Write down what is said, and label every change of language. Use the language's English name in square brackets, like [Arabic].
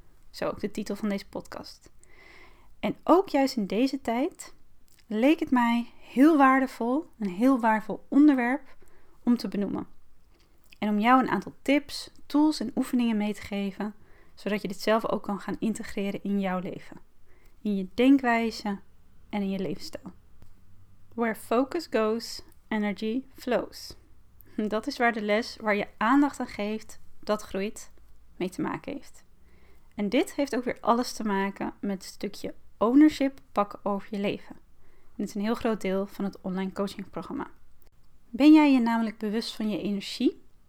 [Dutch] Zo ook de titel van deze podcast. En ook juist in deze tijd leek het mij heel waardevol, een heel waardevol onderwerp om te benoemen. En om jou een aantal tips, tools en oefeningen mee te geven, zodat je dit zelf ook kan gaan integreren in jouw leven. In je denkwijze en in je levensstijl. [English] Where focus goes, energy flows. [Dutch] Dat is waar de les waar je aandacht aan geeft, dat groeit, mee te maken heeft. En dit heeft ook weer alles te maken met het stukje ownership pakken over je leven. En het is een heel groot deel van het online coachingprogramma. Ben jij je namelijk bewust van je energie?